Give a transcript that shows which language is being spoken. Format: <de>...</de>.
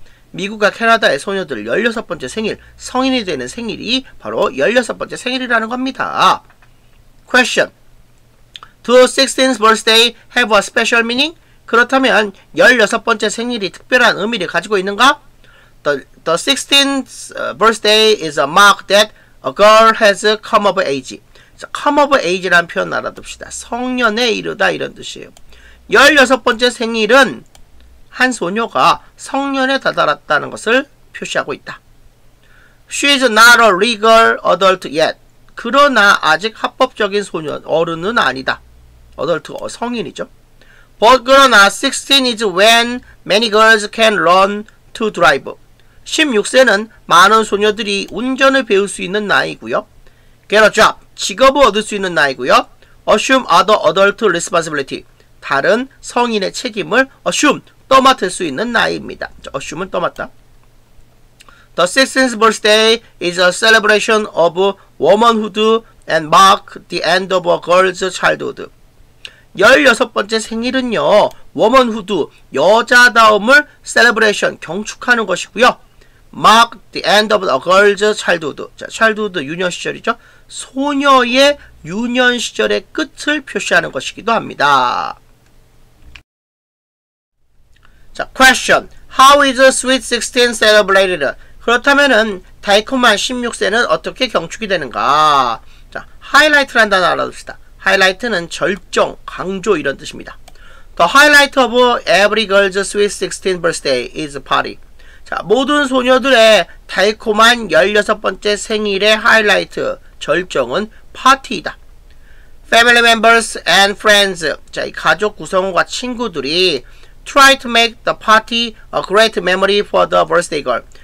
<ko>미국과 캐나다의 소녀들 16번째 생일, 성인이 되는 생일이 바로 16번째 생일이라는 겁니다.</ko> <en>Question. Do 16th birthday have a special meaning?</en> <ko>그렇다면 16번째 생일이 특별한 의미를 가지고 있는가?</ko> <en>The 16th birthday is a mark that a girl has come of age.</en> <ko>So,</ko> <en>come of age</en> <ko>라는 표현 알아둡시다. 성년에 이르다 이런 뜻이에요. 16번째 생일은 한 소녀가 성년에 다다랐다는 것을 표시하고 있다.</ko> <en>She is not a legal adult yet.</en> <ko>그러나 아직 합법적인 소년, 어른은 아니다. 어덜트, 성인이죠.</ko> <en>But 그러나 16 is when many girls can learn to drive.</en> <ko>16세는 많은 소녀들이 운전을 배울 수 있는 나이고요.</ko> <en>Get a job.</en> <ko>직업을 얻을 수 있는 나이고요.</ko> <en>Assume other adult responsibility.</en> <ko>다른 성인의 책임을 assume, 떠맡을 수 있는 나이입니다. Assume은 떠맡다.</ko> <en>The 16th birthday is a celebration of womanhood and mark the end of a girl's childhood.</en> <ko>16번째 생일은요, womanhood, 여자다움을 celebration, 경축하는 것이고요.</ko> <en>Mark the end of a girl's childhood. 자, childhood,</en> <ko>유년 시절이죠. 소녀의 유년 시절의 끝을 표시하는 것이기도 합니다.</ko> <en>자, question. How is a sweet 16 celebrated?</en> <ko>그렇다면은, 달콤한 16세는 어떻게 경축이 되는가? 자, highlight란 단어 알아둡시다. Highlight는 절정, 강조 이런 뜻입니다.</ko> <en>The highlight of every girl's sweet 16th birthday is party.</en> <ko>자, 모든 소녀들의 달콤한 16번째 생일의 하이라이트, 절정은 파티이다.</ko> <en>Family members and friends.</en> <ko>자, 이 가족 구성원과 친구들이</ko> <en>try to make the party a great memory for the birthday girl.</en>